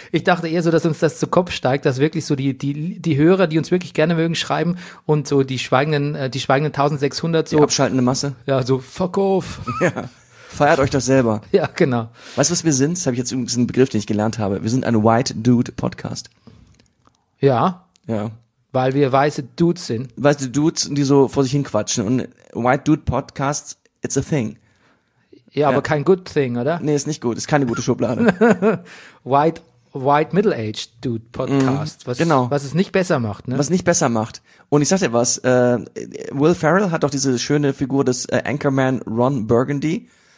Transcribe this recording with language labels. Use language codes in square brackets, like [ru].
[de] Ich dachte eher so, dass uns das zu Kopf steigt, dass wirklich so die Hörer, die uns wirklich gerne mögen, schreiben und so die schweigenden 1600 so. Die abschaltende Masse. Ja, so [en] fuck off. [de] Ja, feiert euch doch selber. Ja, genau. Weißt du, was wir sind? Das habe ich jetzt übrigens einen Begriff, den ich gelernt habe. Wir sind ein White Dude Podcast. Ja. Ja. Weil wir weiße Dudes sind. Weiße Dudes, die so vor sich hin quatschen. Und [en] White Dude Podcasts, it's a thing. [de] Ja, aber kein [en] good thing, [de] oder? Nee, ist nicht gut. Ist keine gute Schublade. White Middle Aged Dude Podcast. Mm, genau. Was es nicht besser macht, ne? Was nicht besser macht. Und ich sag dir was, Will Ferrell hat doch diese schöne Figur des Anchorman Ron Burgundy.